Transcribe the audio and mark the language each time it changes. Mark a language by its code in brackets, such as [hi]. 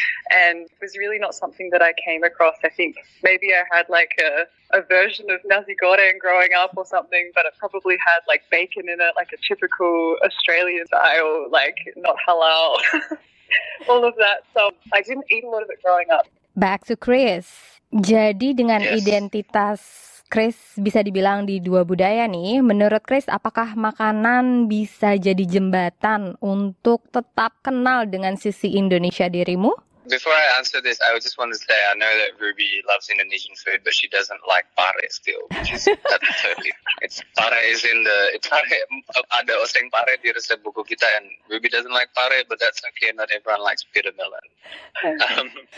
[en] and it was really not something that I came across. I think maybe I had like a version of nasi goreng growing up or something, but it probably had like bacon in it, like a typical Australian style, like not halal, all of that. So I didn't eat a lot of it growing up. Back to Chris. [id] Jadi dengan [en] yes. [id] identitas Chris bisa dibilang di dua budaya nih, menurut Chris apakah makanan bisa jadi jembatan untuk tetap kenal dengan sisi Indonesia dirimu? [en] Before I answer this, I just want to say I know that Ruby loves Indonesian food, but she doesn't like pare still. It's pare is in the it's pare, [id] ada oseng pare di resep buku kita, [en] and Ruby doesn't like pare, but that's okay. Not everyone likes bitter melon.